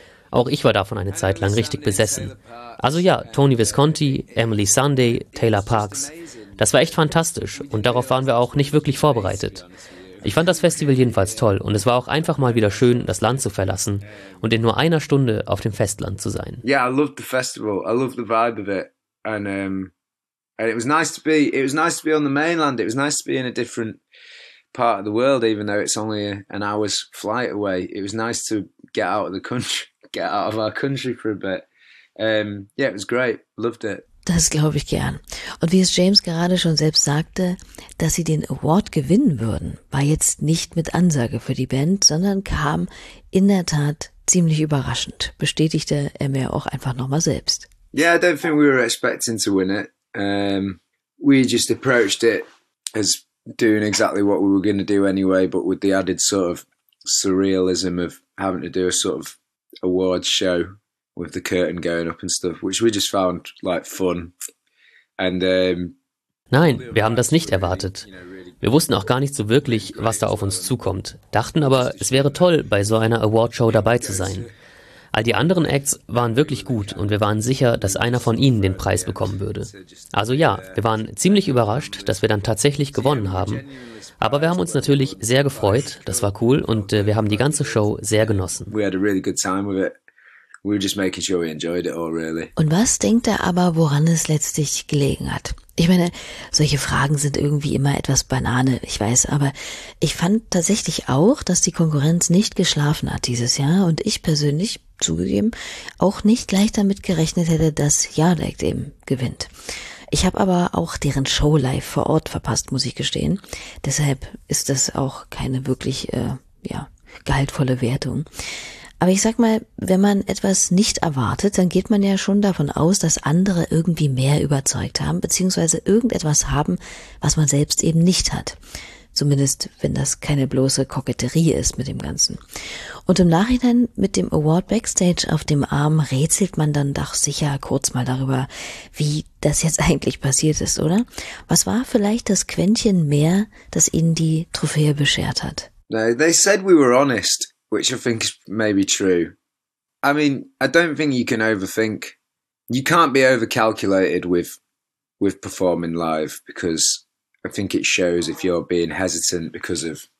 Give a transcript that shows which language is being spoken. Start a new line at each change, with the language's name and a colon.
German: Auch ich war davon eine Zeit lang richtig besessen. Also ja, Tony Visconti, Emily Sunday, Taylor Parks. Das war echt fantastisch und darauf waren wir auch nicht wirklich vorbereitet. Ich fand das Festival jedenfalls toll und es war auch einfach mal wieder schön, das Land zu verlassen und in nur einer Stunde auf dem Festland zu sein.
English: Yeah, I loved the festival. I loved the vibe of it. And it was nice to be on the mainland. It was nice to be in a different part of the world, even though it's only an hour's flight away. It was nice to get out of the country. Get out of our country for a bit. Yeah, it was great. Loved it.
German: Das glaube ich gern. Und wie es James gerade schon selbst sagte, dass sie den Award gewinnen würden, war jetzt nicht mit Ansage für die Band, sondern kam in der Tat ziemlich überraschend, bestätigte er mir auch einfach nochmal selbst.
English: Yeah, I don't think we were expecting to win it. We just approached it as doing exactly what we were going to do anyway, but with the added sort of surrealism of having to do a sort of awards show with the curtain going up and stuff, which we just found like fun. And
German: nein, wir haben das nicht erwartet. Wir wussten auch gar nicht so wirklich, was da auf uns zukommt, dachten aber, es wäre toll, bei so einer Awardshow dabei zu sein. All die anderen Acts waren wirklich gut und wir waren sicher, dass einer von ihnen den Preis bekommen würde. Also ja, wir waren ziemlich überrascht, dass wir dann tatsächlich gewonnen haben. Aber wir haben uns natürlich sehr gefreut, das war cool und wir haben die ganze Show sehr genossen.
English: We had a really good time with it. We were just making sure we enjoyed it all, really.
German: Und was denkt er aber, woran es letztlich gelegen hat? Ich meine, solche Fragen sind irgendwie immer etwas Banane, ich weiß, aber ich fand tatsächlich auch, dass die Konkurrenz nicht geschlafen hat dieses Jahr und ich persönlich, zugegeben, auch nicht gleich damit gerechnet hätte, dass Yardak eben gewinnt. Ich habe aber auch deren Show live vor Ort verpasst, muss ich gestehen. Deshalb ist das auch keine wirklich gehaltvolle Wertung. Aber ich sag mal, wenn man etwas nicht erwartet, dann geht man ja schon davon aus, dass andere irgendwie mehr überzeugt haben, beziehungsweise irgendetwas haben, was man selbst eben nicht hat. Zumindest, wenn das keine bloße Koketterie ist mit dem Ganzen. Und im Nachhinein mit dem Award Backstage auf dem Arm rätselt man dann doch sicher kurz mal darüber, wie das jetzt eigentlich passiert ist, oder? Was war vielleicht das Quäntchen mehr, das ihnen die Trophäe beschert hat?
English: No, they said we were honest. Which I think is maybe true. I mean, I don't think you can overthink. You can't be overcalculated with performing live, because I think it shows if you're being hesitant because of...